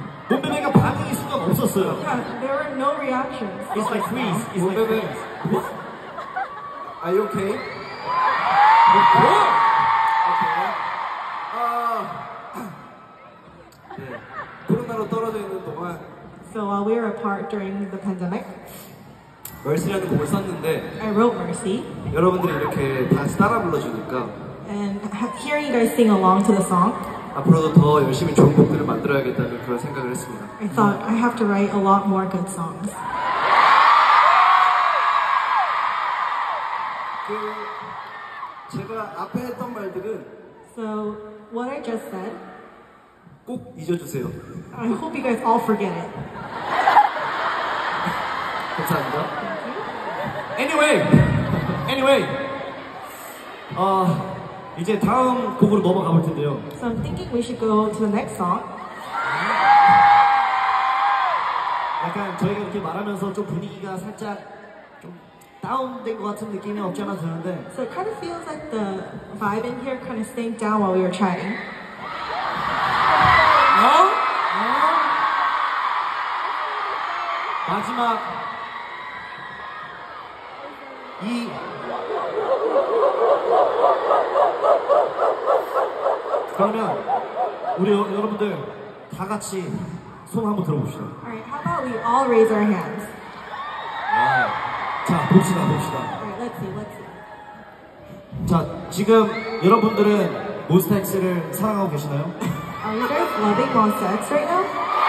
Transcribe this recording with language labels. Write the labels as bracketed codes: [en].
[ko] 몬베베가 반응이 순간 없었어요. [en] Yeah, there were no reactions. It's like freeze. It's like freeze. What? Are you okay? What? Okay. [ko] 코로나로 떨어져 있는 동안. [en] So while we were apart during the pandemic, [ko] Mercy라는 곡을 썼는데. [en] I wrote Mercy. [ko] 여러분들이 이렇게 다시 따라 불러주니까. [en] And hearing you guys sing along to the song, [ko] 앞으로도 더 열심히 좋은 곡들을 만들어야겠다는 그런 생각을 했습니다. [en] I thought I have to write a lot more good songs. [ko] 그 제가 앞에 했던 말들은 [en] So what I just said [ko] 꼭 잊어주세요. [en] I hope you guys all forget it. [ko] 감사합니다. Anyway, 이제 다음 곡으로 넘어가 볼 텐데요. [en] So I'm thinking we should go to the next song. [ko] 약간 저희가 이렇게 말하면서 좀 분위기가 살짝 좀 다운된 것 같은 느낌이 없지 않아 드는데. [en] So it kind of feels like the vibe in here kind of staying down while we were chatting. No? No? [ko] 마지막 이 그러면 우리 여러분들 다 같이 손 한번 들어봅시다. [en] Alright, how about we all raise our hands? [ko] 자, 봅시다. [en] Alright, let's see. [ko] 자, 지금 여러분들은 몬스타엑스를 사랑하고 계시나요? [en] Are you guys loving MONSTA X right now?